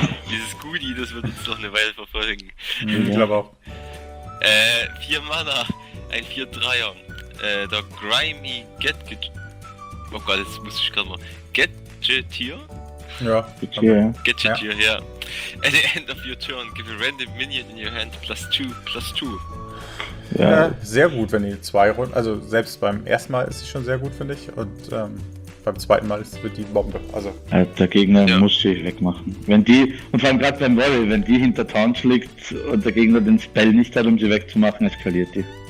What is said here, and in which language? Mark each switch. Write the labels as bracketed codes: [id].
[de] Dieses Guti, das wird uns noch eine Weile verfolgen. Ich glaube auch. 4 Mana, ein 4-3er. Der Grimy Gadget. Oh Gott, jetzt muss ich gerade mal. Gadgetier? Ja, Gadgetier, ja. [en] At the end of your turn, give a random minion in your hand +2/+2. [de] Ja. Ja, sehr gut, wenn die 2 Runden. Also, selbst beim ersten Mal ist sie schon sehr gut, finde ich. Und beim zweiten Mal wird die Bombe. Also. Der Gegner muss sie wegmachen. Wenn die, und vor allem gerade beim Warrior, wenn die hinter Taunch liegt und der Gegner den Spell nicht hat, um sie wegzumachen, eskaliert die.